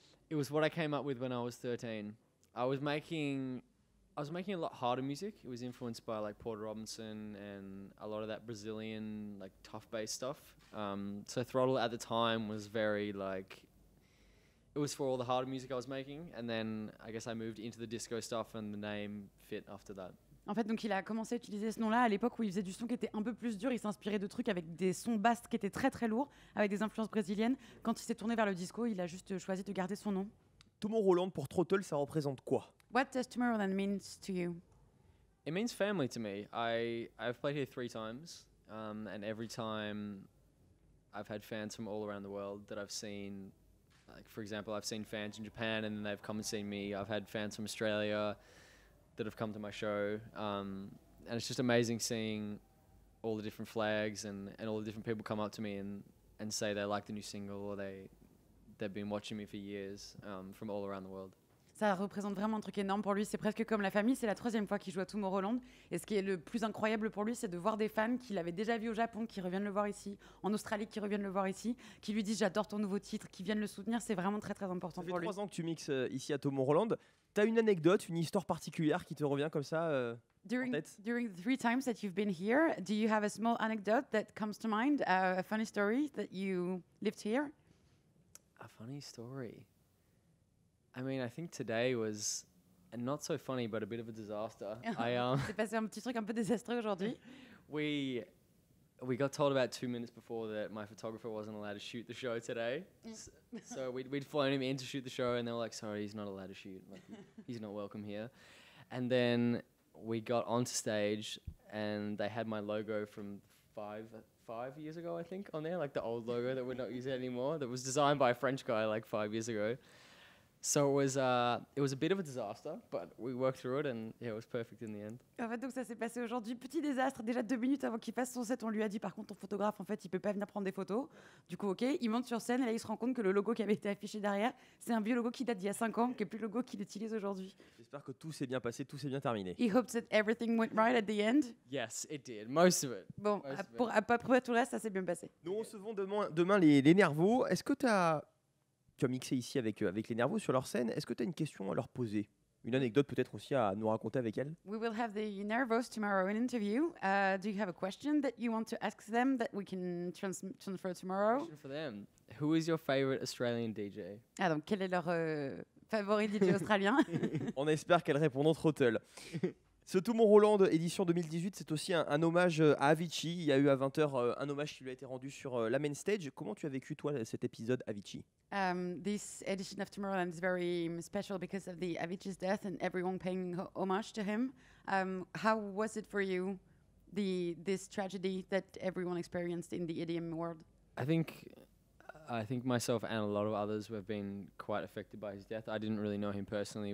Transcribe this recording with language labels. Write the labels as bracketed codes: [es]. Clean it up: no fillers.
[en] It was what I came up with when I was 13. I was making a lot harder music. It was influenced by like Porter Robinson and a lot of that Brazilian like tough bass stuff. So Throttle at the time was very like, it was for all the harder music I was making. And then I guess I moved into the disco stuff and the name fit after that. [fr] En fait, donc il a commencé à utiliser ce nom-là à l'époque où il faisait du son qui était un peu plus dur. Il s'inspirait de trucs avec des sons basses qui étaient très très lourds, avec des influences brésiliennes. Quand il s'est tourné vers le disco, il a juste choisi de garder son nom. Tomorrowland pour Trottle, ça représente quoi? [en] What does Tomorrowland mean to you? It means family to me. I've played here 3 times, and every time I've had fans from all around the world that I've seen. Like for example, I've seen fans in Japan, and they've come and seen me. I've had fans from Australia that have come to my show, and it's just amazing seeing all the different flags and all the different people come up to me and say they like the new single or they've been watching me for years from all around the world. [fr] Ça représente vraiment un truc énorme pour lui, c'est presque comme la famille, c'est la 3e fois qu'il joue à Tomorrowland. Et ce qui est le plus incroyable pour lui, c'est de voir des fans qu'il avait déjà vus au Japon, qui reviennent le voir ici, en Australie, qui reviennent le voir ici, qui lui disent j'adore ton nouveau titre, qui viennent le soutenir, c'est vraiment très très important pour lui. Ça fait 3 ans que tu mixes ici à Tomorrowland, t'as une anecdote, une histoire particulière qui te revient comme ça [en] during, [fr] en tête? [en] During the 3 times that you've been here, do you have a small anecdote that comes to mind, a funny story that you lived here? A funny story? I mean, I think today was not so funny, but a bit of a disaster. [fr] C'est passé un petit truc un peu désastreux aujourd'hui. [en] We got told about 2 minutes before that my photographer wasn't allowed to shoot the show today. So we'd flown him in to shoot the show, and they were like, sorry, he's not allowed to shoot. Like, he's not welcome here. And then we got onto stage, and they had my logo from five years ago, I think, on there, like the old logo that we're not using anymore, that was designed by a French guy like 5 years ago. So it was a bit of a disaster, but we worked through it and yeah, it was perfect in the end. [fr] En fait, donc ça s'est passé aujourd'hui, petit désastre. Déjà 2 minutes avant qu'il fasse son set, on lui a dit par contre ton photographe en fait il peut pas venir prendre des photos. Du coup ok, il monte sur scène et là il se rend compte que le logo qui avait été affiché derrière, c'est un vieux logo qui date d'il y a 5 ans, qui est plus le logo qu'il utilise aujourd'hui. J'espère que tout s'est bien passé, tout s'est bien terminé. [en] He hoped that everything went right at the end. Yes, it did, most of it. [fr] Bon, pour à peu près tout le reste, ça s'est bien passé. Nous recevons demain les nerveux. Est-ce que tu as mixé ici avec les nerveux sur leur scène. Est-ce que tu as une question à leur poser? Une anecdote peut-être aussi à nous raconter avec elles? [en] We will have the nervous tomorrow in interview. Do you have a question that you want to ask them that we can transfer tomorrow? Question for them. Who is your favorite Australian DJ? [fr] Ah donc, quel est leur favori DJ australien? On espère qu'elles répondront Trottel. Ce Tomorrowland édition 2018, c'est aussi un hommage à Avicii. Il y a eu à 20h un hommage qui lui a été rendu sur la main stage. Comment tu as vécu, toi, cet épisode Avicii? [en] This edition of Tomorrowland is very special because of the Avicii's death and everyone paying homage to him. How was it for you, this tragedy that everyone experienced in the EDM world? I think myself and a lot of others have been quite affected by his death. I didn't really know him personally.